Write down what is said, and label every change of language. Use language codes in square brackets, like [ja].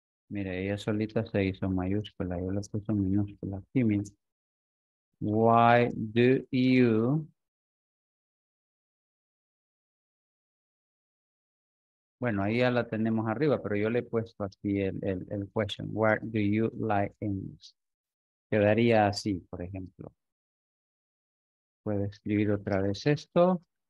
[es] Mire, ella solita se hizo mayúscula, yo la puse minúscula. [en] Why do you? [es] Bueno, ahí ya la tenemos arriba, pero yo le he puesto aquí el question. [en] Where do you like English? [es] Quedaría así, por ejemplo. Puede escribir otra vez esto.